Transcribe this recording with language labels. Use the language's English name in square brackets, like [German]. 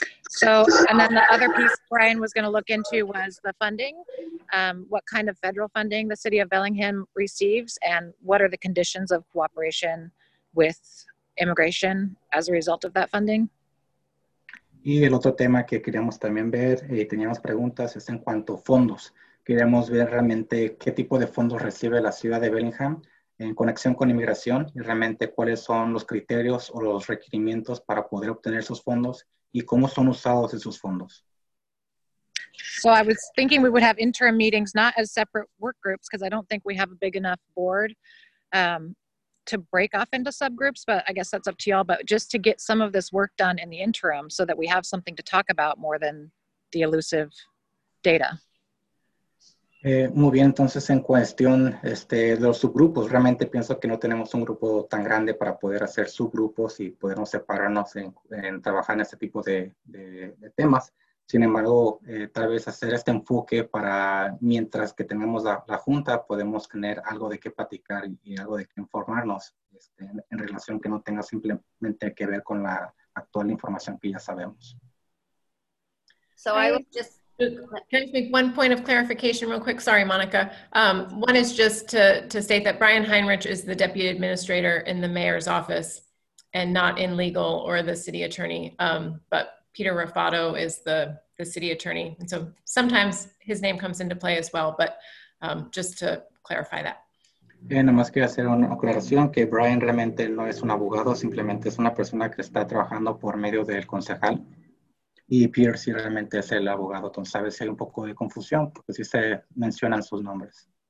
[English] So, and then the other piece Brian was going to look into was the funding, what kind of federal funding the city of Bellingham receives and what are the conditions of cooperation with immigration as a result of that funding. [Spanish] Y el otro tema que queríamos también ver, teníamos preguntas, es en cuanto a fondos. Queríamos ver realmente qué tipo de fondos recibe la ciudad de Bellingham en conexión con inmigración y realmente cuáles son los criterios o los requerimientos para poder obtener esos fondos y cómo son usados esos fondos. [English] So I was thinking we would have interim meetings, not as separate work groups, because I don't think we have a big enough board to break off into subgroups, but I guess that's up to y'all, but just to get some of this work done in the interim so that we have something to talk about more than the elusive data. [Spanish] Muy bien, entonces en cuestión de los subgrupos, realmente pienso que no tenemos un grupo tan grande para poder hacer subgrupos y podernos separarnos en trabajar en este tipo de temas. Sin embargo, tal vez hacer este enfoque para mientras que tengamos la junta, podemos tener algo de qué platicar y algo de qué informarnos en relación que no tenga simplemente que ver con la actual información que ya sabemos. [English] So I was just, can I make one point of clarification real quick? Sorry, Monica. One is just to state that Brian Henrich is the deputy administrator in the mayor's office and not in legal or the city attorney, but Peter Raffato is the city attorney. And so sometimes his name comes into play as well, but just to clarify that. [Spanish] Nada más quiero hacer una aclaración que Brian realmente no es un abogado, simplemente es una persona que está trabajando por medio del concejal. Y Peter sí realmente es el abogado. Entonces, a veces hay un poco de confusión porque sí se mencionan sus nombres.